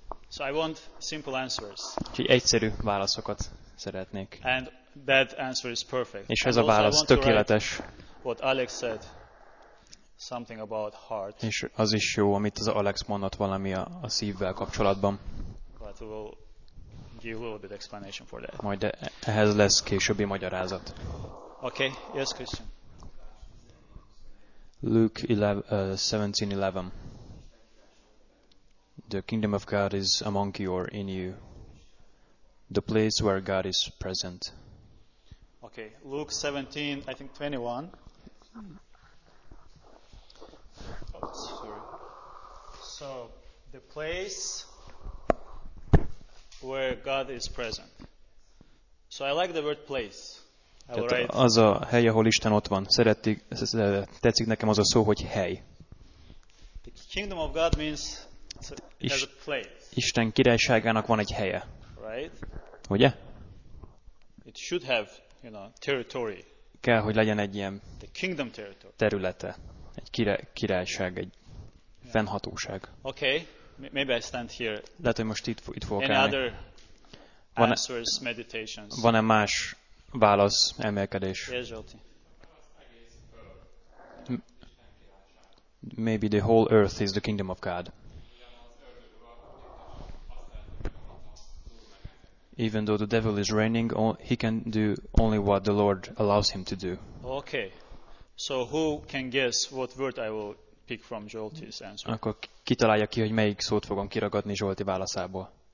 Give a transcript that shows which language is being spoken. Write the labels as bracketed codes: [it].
[en] So I want simple answers. [hu] Úgyhogy egyszerű válaszokat szeretnék. [en] And that answer is perfect. [hu] És ez a válasz tökéletes. [en] What Alex said, something about heart. [hu] És az is jó, amit az Alex mondott valami a szívvel kapcsolatban. [en] But we'll give a little bit explanation for that. [hu] Majd ehhez lesz későbbi magyarázat. [en] Okay, yes, Christian. Luke 17:11. The kingdom of God is among you or in you. The place where God is present. Okay, Luke 17, I think 21. Oh, sorry. So, the place where God is present. So I like the word place. [hu] Tehát az a hely, ahol Isten ott van. Tetszik nekem az a szó, hogy hely. [en] The kingdom of God means has a place. [hu] Isten királyságának van egy helye. [en] Right? [hu] Ugye? [en] It should have, you know, territory. [hu] Kell, hogy legyen egy ilyen [en] the kingdom territory. [hu] Területe. Egy királyság, egy yeah. fennhatóság. [en] Okay. Maybe I stand here. [hu] Lehet, hogy most itt fogok [en] any [hu] állni. [en] Other answers, meditations. [hu] Van-e más válasz, emelkedés. [en] Maybe the whole earth is the kingdom of God. Even though the devil is reigning, he can do only what the Lord allows him to do. Okay. So who can guess what word I will pick from Zsolti's answer? [hu] Akkor kitalálja ki, hogy melyik szót fogom kiragadni Zsolti válaszából.